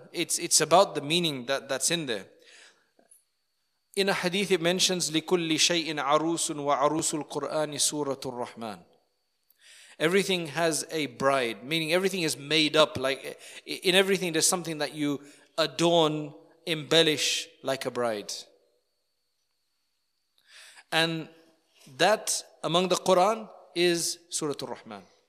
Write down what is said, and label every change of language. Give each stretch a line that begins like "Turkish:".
English: It's about the meaning that's in there. In a hadith, it mentions
Arabic: لِكُلِّ شَيْءٍ عَرُوسٌ وَعَرُوسُ الْقُرْآنِ سُورَةُ الرَّحْمَنِ.
English: Everything has a bride, meaning everything is made up. Like in everything, there's something that you adorn, embellish like a bride. And that among the Quran is Suratul Rahman.